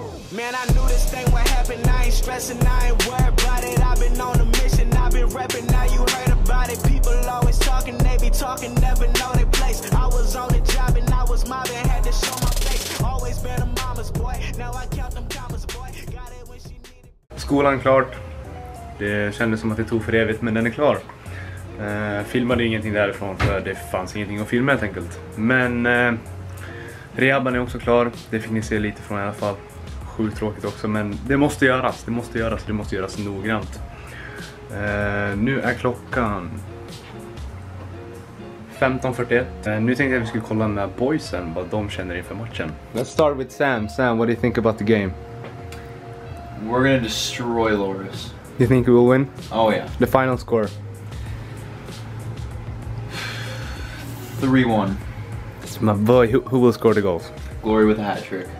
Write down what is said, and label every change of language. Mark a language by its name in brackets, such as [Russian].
[English] Man, I knew this thing would happen. I ain't stressing, I ain't worried about it. I've been on a mission, I've been repping. Now you heard about it. People always talking, they be talking, never know their place. I was on the job and I was mobbing, had to show my face. Always been a mama's boy. Now I count them commas, boy. Got it when she needed. [Swedish] Skolan klart. Det kändes som att det tog för evigt, men den är klar. Filmade ingenting därifrån för det fanns ingenting att filma helt enkelt. Men rehabban är också klar, det fick ni se lite från i alla fall. Sjukt tråkigt också, men det måste göras, det måste göras, det måste göras noggrant. Nu är klockan 15:41. Nu tänkte jag att vi skulle kolla med boysen vad de känner inför matchen. [English] Let's start with Sam. Sam, what do you think about the game? We're gonna destroy Loris. You think we will win? Oh yeah. The final score. 3-1. That's my boy. Who will score the goals? Glory with a hat trick.